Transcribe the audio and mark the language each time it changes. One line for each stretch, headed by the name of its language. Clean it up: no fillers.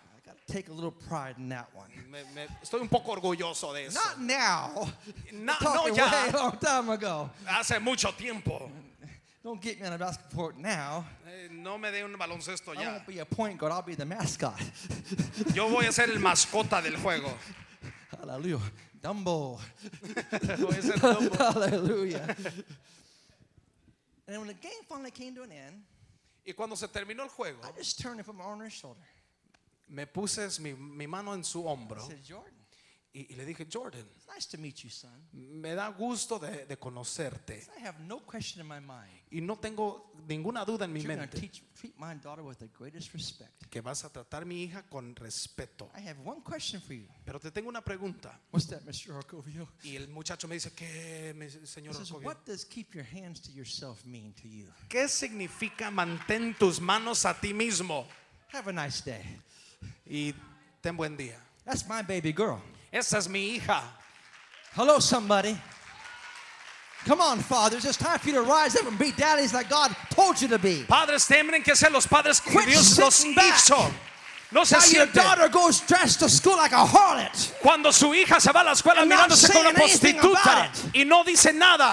English: I got to take a little pride in that one.
Spanish: Me estoy un poco orgulloso de eso.
English: Not now.
Spanish: No, ya.
English: Way long time ago.
Spanish: Hace mucho tiempo.
English: Don't get me on a basketball court now.
Spanish: No me dé un baloncesto ya.
English: I won't be a point guard. I'll be the mascot.
Spanish: Yo voy a ser el mascota del juego.
English: Hallelujah, Dumbo.
Spanish: Voy a ser Dumbo.
English: Hallelujah. And when the game finally came to an end,
Spanish: y cuando se terminó el juego,
English: I just turned and put my arm on his shoulder.
Spanish: Me puse mi mano en su hombro.
English: I said, Jordan.
Spanish: Y le dije, Jordan.
English: It's nice to meet you, son.
Spanish: Me da gusto de conocerte.
English: I have no question in my mind.
Spanish: Y no tengo ninguna duda en mi mente.
English: You're going to treat my daughter with the greatest respect.
Spanish: Que vas a tratar mi hija con respeto.
English: I have one question for you.
Spanish: Pero te tengo una pregunta.
English: What's that, Mr. Orcovio?
Spanish: Y el muchacho me dice, ¿qué, señor Orcovio?
English: What does keep your hands to yourself mean to you?
Spanish: ¿Qué significa mantén tus manos a ti mismo?
English: Have a nice day.
Spanish: Y ten buen día.
English: That's my baby girl.
Spanish: Esa es mi hija.
English: Hello, somebody. Come on, fathers. It's time for you to rise up and be daddies like God told you to be.
Spanish: Padres, tienen que ser los padres que
English: Quit
Spanish: Dios los hizo.
English: Back.
Spanish: No se siente.
English: Your daughter goes dressed to school like a harlot.
Spanish: Cuando su hija se va a la escuela mirándose como una prostituta y no dice nada.